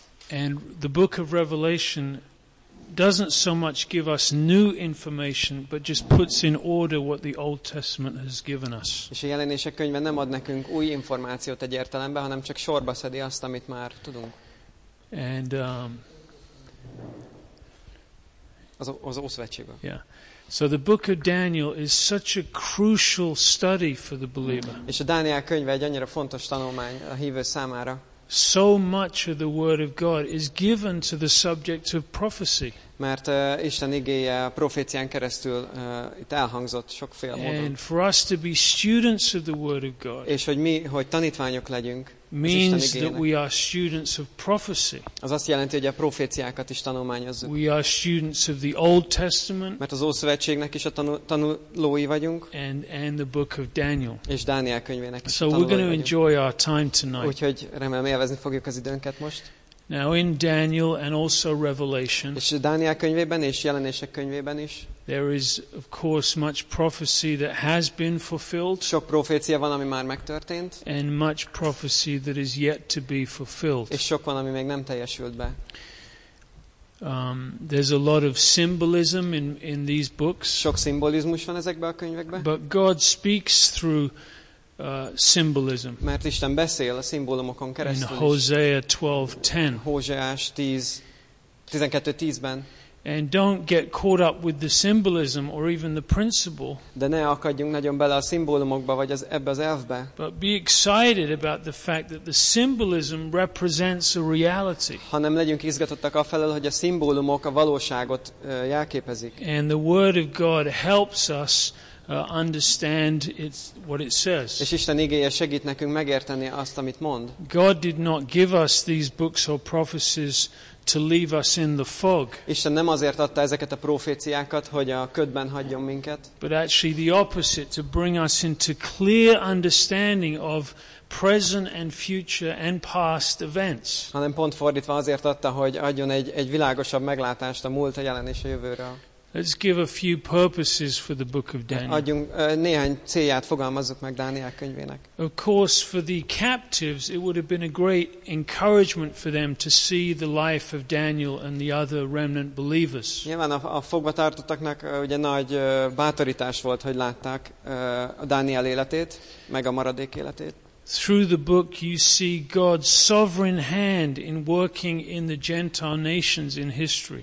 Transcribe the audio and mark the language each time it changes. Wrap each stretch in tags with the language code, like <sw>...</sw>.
<en>And the book of Revelation doesn't so much give us new information, but just puts in order what the Old Testament has given us.</en> <hu>És a jelenések könyve nem ad nekünk új információt egy értelemben, hanem csak sorba szedi azt, amit már tudunk.</hu> <en>And</en> <hu>az Ószövetségben. Yeah.</hu> <en>So the book of Daniel is such a crucial study for the believer.</en> <hu>És a Dániel könyve egy annyira fontos tanulmány a hívő számára.</hu> <en>So much of the word of God is given to the subject of prophecy.</en> <hu>Mert Isten igéje a proféciánk keresztül itt elhangzott sokféle módon.</hu> <en>And for us to be students of the word of God.</en> <hu>És hogy mi, hogy tanítványok legyünk.</hu> <en>Means that we are students of prophecy.</en> <hu>Az azt jelenti, hogy a proféciákat is tanulmányozzuk.</hu> <en>We are students of the Old Testament.</en> <hu>Mert az Ószövetségnek is a tanulói vagyunk.</hu> <en>And the book of Daniel.</en> <hu>És Dániel könyvének is a tanulói vagyunk.</hu> <en>So we're going to enjoy our time tonight.</en> <hu>Úgyhogy remélem élvezni fogjuk az időnket most.</hu> <en>Now in Daniel and also Revelation.</en> <hu>És Dániel könyvében és Jelenések könyvében is.</hu> <en>There is of course much prophecy that has been fulfilled.</en> <hu>Sok profécia van, ami már megtörtént.</hu> <en>And much prophecy that is yet to be fulfilled.</en> <hu>És sok van, ami még nem teljesült be.</hu> <en>There's a lot of symbolism in these books.</en> <hu>Sok szimbolizmus van ezekben a könyvekben.</hu> <en>But God speaks through symbolism.</en> <hu>Mert Isten beszél a szimbólumokon keresztül.</hu> <en>In Hosea 12:10.</en> <hu>Hosea 12:10-ben.</hu> <en>And don't get caught up with the symbolism or even the principle.</en> <hu>De ne akadjunk nagyon bele a szimbólumokba vagy ebbe az elvbe.</hu> <en>But be excited about the fact that the symbolism represents a reality.</en> <hu>Hanem legyünk izgatottak afelől, hogy a szimbólumok a valóságot jelképezik.</hu> <en>And the word of God helps us understand it's what it says.</en> <hu>És Isten igéje segít nekünk megérteni azt, amit mond.</hu> <en>God did not give us these books or prophecies to leave us in the fog.</en> <hu>Isten nem azért adta ezeket a proféciákat, hogy a ködben hagyjon minket.</hu> <en>But actually the opposite, to bring us into clear understanding of present and future and past events.</en> <hu>Hanem pont fordítva azért adta, hogy adjon egy világosabb meglátást a múlt, a jelen és a jövőről.</hu> <en>Let's give a few purposes for the book of Daniel.</en> <hu>Adjunk néhány célját, fogalmazzuk meg Dániel könyvének.</hu> <en>Of course, for the captives, it would have been a great encouragement for them to see the life of Daniel and the other remnant believers.</en> <hu>Nyilván a fogvatartottaknak ugye nagy bátorítás volt, hogy látták a Dániel életét, meg a maradék életét.</hu> <en>Through the book you see God's sovereign hand in working in the Gentile nations in history.</en>